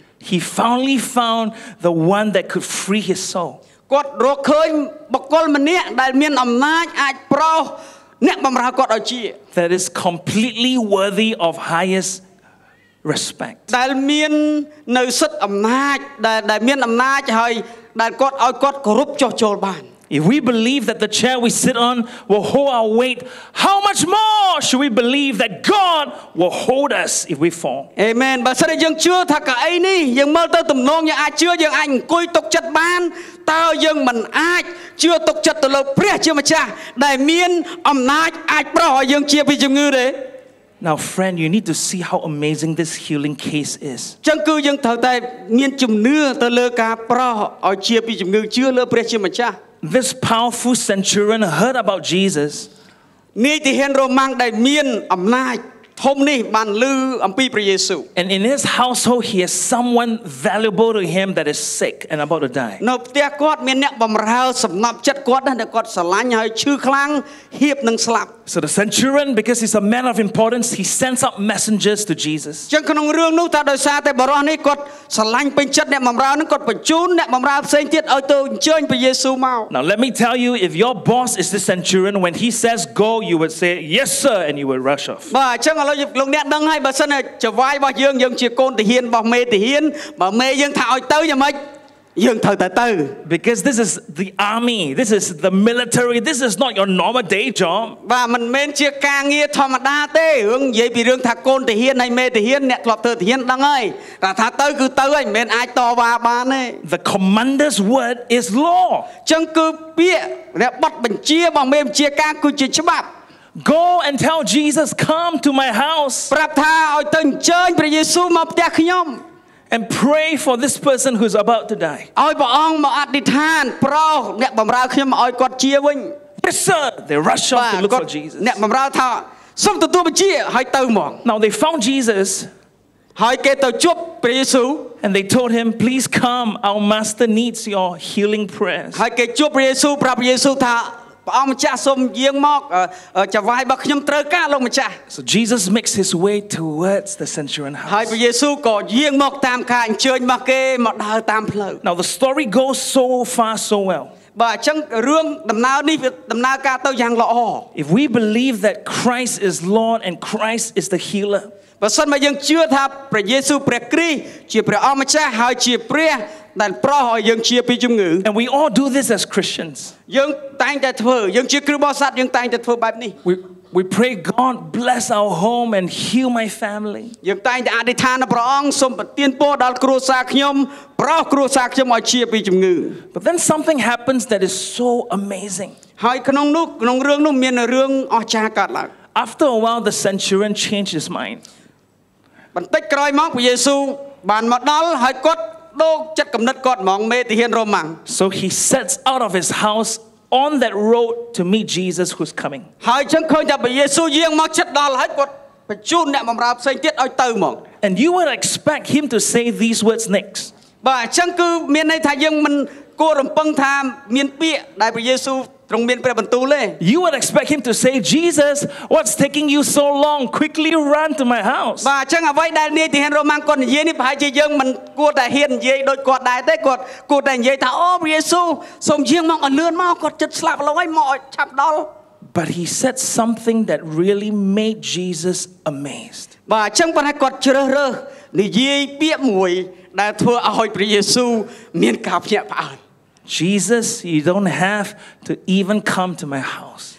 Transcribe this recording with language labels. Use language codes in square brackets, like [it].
[en] He finally found the one that could free his soul. [km] គាត់រកឃើញបុគ្គលម្នាក់ដែលមានអំណាចអាចប្រោសអ្នកបម្រើគាត់ឲ្យជា [en] That is completely worthy of highest respect [km] ដែលមាននៅសិទ្ធិអំណាចដែលមានអំណាចហើយដែលគាត់ឲ្យគាត់គោរពចុះចូលបាន [en] If we believe that the chair we sit on will hold our weight how much more should we believe that God will hold us if we fall [km] Amen បើសិនយើងជឿថាកៅអីនេះយើងមើលទៅទំនងយើងអាចជឿយើងអាចអង្គុយទុកចិត្តបានតើយើងមិនអាចជឿទុកចិត្តទៅលើព្រះជាម្ចាស់ដែលមានអំណាចអាចប្រោសឲ្យយើងជាពីជំងឺទេ [en] Now friend you need to see how amazing this healing case is [km] ចឹងគឺយើងត្រូវតែមានជំនឿទៅលើការប្រោសឲ្យជាពីជំងឺជឿលើព្រះជាម្ចាស់ [en] This powerful centurion heard about Jesus [km] នាយទាហានរ៉ូម៉ាំងដែលមានអំណាចធំនេះបានឮអំពីព្រះយេស៊ូវ [en] And in his household he has someone valuable to him that is sick and about to die. [km] នៅផ្ទះគាត់មានអ្នកបម្រើសំណពចិត្តគាត់ណាដែលគាត់ស្រឡាញ់ហើយឈឺខ្លាំងហៀបនឹងស្លាប់ [en] So the centurion because he's a man of importance he sends up messengers to Jesus. [km] ជាងក្នុងរឿងនោះថាដោយសារតែបរិសនេះគាត់ស្រឡាញ់ពេញចិត្តអ្នកបម្រើនឹងគាត់បញ្ជូនអ្នកបម្រើផ្សេងទៀតឲ្យទៅអញ្ជើញព្រះយេស៊ូវមក [en] Now let me tell you if your boss is the centurion when he says go you would say yes sir and you would rush off. [km] បាទឥឡូវលោកអ្នកដឹងហើយបើសិនជាចវាយរបស់យើងជាកូនទាហានរបស់មេទាហានបើមេយើងថាឲ្យទៅយ៉ាងម៉េច យើងត្រូវតែទៅ [en] because this is the army, this is the military, this is not your normal day job. [km] បាទមិនមែនជាការងារធម្មតាទេរឿងនិយាយពីរឿងថាកូនទាហានហើយមេទាហានអ្នកធ្លាប់ធ្វើទាហានដឹងហើយថាទៅគឺទៅហើយមិនមែនអាចតវ៉ាបានទេ [en] The commander's word is law. [km] ចឹងគឺពាក្យរបស់បញ្ជារបស់មេបញ្ជាការគឺជាច្បាប់ [en] Go and tell Jesus come to my house. [km] ប្រាប់ថាឲ្យទៅអញ្ជើញព្រះយេស៊ូវមកផ្ទះខ្ញុំ [en] And pray for this person who's about to die. [km] ឲ្យព្រះអង្គមកអធិដ្ឋានប្រោសអ្នកបម្រើខ្ញុំឲ្យគាត់ជាវិញ [en] Yes, sir. They rush off to look for Jesus. [km] អ្នកបម្រើថាសូមទទួលបញ្ជាឲ្យទៅហ្មង [en] Now they found Jesus. [km] ឲ្យគេទៅជួបព្រះយេស៊ូវ [en] And they told him, "Please come. Our master needs your healing prayers." [km] ឲ្យគេជួបព្រះយេស៊ូវប្រាប់ព្រះយេស៊ូវថាព្រះអង្គម្ចាស់សូមយាងមកចង្វាយរបស់ខ្ញុំត្រូវការលោកម្ចាស់ [en] So Jesus makes his way towards the centurion house [km] ហើយព្រះយេស៊ូវក៏យាងមកតាមការអញ្ជើញរបស់គេមកដើរតាមផ្លូវ [en] Now the story goes so far so well [km] បាទអញ្ចឹងរឿងដំណើរនេះវាដំណើរការទៅយ៉ាងល្អ [en] If we believe that Christ is Lord and Christ is the healer [km] បើសិនមកយើងជឿថាព្រះយេស៊ូវព្រះគ្រីស្ទជាព្រះអង្គម្ចាស់ហើយជាព្រះដែលប្រោះឲ្យយើងជាពីជំងឺ [en] And we all do this as Christians [km] យើងតែងតែធ្វើយើងជាគ្រូបោសាត់យើងតែងតែធ្វើបែបនេះ [en] We pray God bless our home and heal my family [km] យើងតែងតែអធិដ្ឋានព្រះអង្គសូមប្រទានពរដល់គ្រួសារខ្ញុំប្រោះគ្រួសារខ្ញុំឲ្យជាពីជំងឺ [en] But then something happens that is so amazing [km] ហើយក្នុងនោះក្នុងរឿងនោះមានរឿងអស្ចារ្យកើតឡើង [en] After a while the centurion changed his mind [km] បន្តិចក្រោយមកព្រះយេស៊ូវបានមកដល់ហើយគាត់ដោកចិត្តកំណត់គាត់ហ្មងមេទាហានរ៉ូម៉ាំង [en] So he sets out of his house on that road to meet Jesus who's coming [km] ហើយចឹងឃើញថាព្រះយេស៊ូវយាងមកចិត្តដល់ហើយគាត់បញ្ជូនអ្នកបម្រើផ្សេងទៀតឲ្យទៅហ្មង [en] And you would expect him to say these words next [km] បាទចឹងគឺមានន័យថាយើងមិនគួររំពឹងថាមានពាក្យដែលព្រះយេស៊ូវត្រង់មានព្រះបន្ទូលទេ [en] You would expect him to say Jesus what's taking you so long quickly run to my house [km] បាទអញ្ចឹងអ្វីដែលនាយទាហានរ៉ូម៉ាំងគាត់និយាយនេះប្រហែលជាយើងមិនគួរតែហ៊ាននិយាយដូចគាត់ដែរទេគាត់គួរតែនិយាយថាអូព្រះយេស៊ូវសូមយាងមកឲ្យលឿនមកគាត់ចិត្តស្លាប់ឡើយមកឲ្យឆាប់ដល់ [en] But he said something that really made Jesus amazed [km] បាទអញ្ចឹងប៉ុន្តែគាត់ជ្រើសរើសនិយាយពាក្យមួយដែលធ្វើឲ្យព្រះយេស៊ូវមានការភ្ញាក់ផ្អើល [en] Jesus you don't have to even come to my house